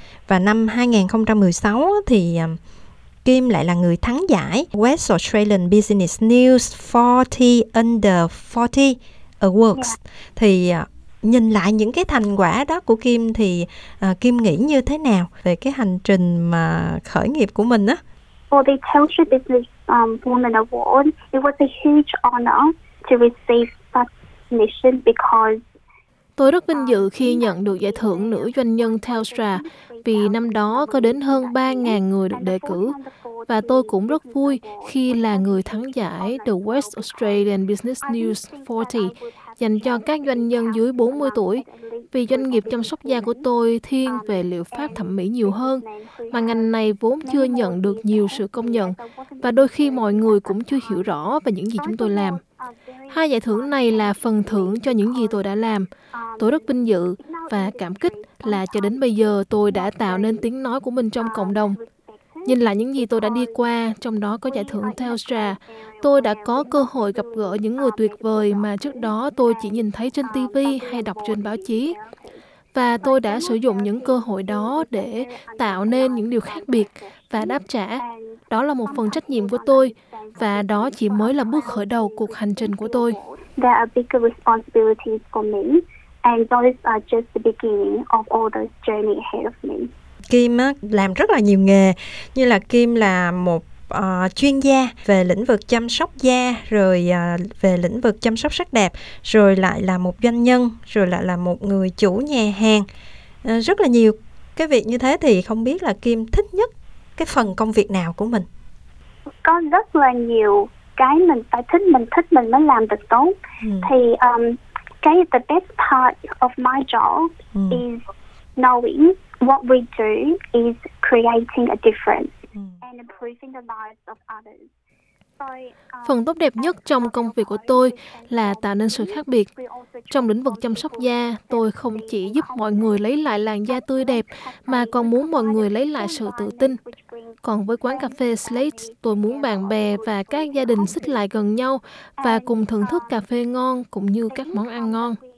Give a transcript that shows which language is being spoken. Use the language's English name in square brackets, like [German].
[Vietnamese] Và năm 2016 thì Kim lại là người thắng giải West Australian Business News 40 Under 40 Awards. Yeah. Thì nhìn lại những cái thành quả đó của Kim thì Kim nghĩ như thế nào về cái hành trình mà khởi nghiệp của mình á? [English] For the Telstra Business Woman Award, it was a huge honor to receive such recognition because [Vietnamese] tôi rất vinh dự khi nhận được giải thưởng nữ doanh nhân Telstra, vì năm đó có đến hơn 3.000 người được đề cử. Và tôi cũng rất vui khi là người thắng giải The West Australian Business News 40 dành cho các doanh nhân dưới 40 tuổi, vì doanh nghiệp chăm sóc da của tôi thiên về liệu pháp thẩm mỹ nhiều hơn, mà ngành này vốn chưa nhận được nhiều sự công nhận, và đôi khi mọi người cũng chưa hiểu rõ về những gì chúng tôi làm. Hai giải thưởng này là phần thưởng cho những gì tôi đã làm. Tôi rất vinh dự và cảm kích là cho đến bây giờ tôi đã tạo nên tiếng nói của mình trong cộng đồng. Nhìn lại những gì tôi đã đi qua, trong đó có giải thưởng Telstra, tôi đã có cơ hội gặp gỡ những người tuyệt vời mà trước đó tôi chỉ nhìn thấy trên TV hay đọc trên báo chí. Và tôi đã sử dụng những cơ hội đó để tạo nên những điều khác biệt và đáp trả. Đó là một phần trách nhiệm của tôi, và đó chỉ mới là bước khởi đầu cuộc hành trình của tôi. [English] There are bigger responsibilities for me, and those are just the beginning of all the journey ahead of me. [Vietnamese] Kim làm rất là nhiều nghề, như là Kim là một chuyên gia về lĩnh vực chăm sóc da, rồi về lĩnh vực chăm sóc sắc đẹp, rồi lại là một doanh nhân, rồi lại là một người chủ nhà hàng. Rất là nhiều cái việc như thế, thì không biết là Kim thích nhất cái phần công việc nào của mình? Có rất là nhiều cái mình phải thích, mình thích mình mới làm được tốt. Thì cái [English] the best part of my job is knowing what we do is creating a difference and improving the lives of others. [Vietnamese] Phần tốt đẹp nhất trong công việc của tôi là tạo nên sự khác biệt. Trong lĩnh vực chăm sóc da, tôi không chỉ giúp mọi người lấy lại làn da tươi đẹp, mà còn muốn mọi người lấy lại sự tự tin. Còn với quán cà phê Slate, tôi muốn bạn bè và các gia đình xích lại gần nhau và cùng thưởng thức cà phê ngon cũng như các món ăn ngon.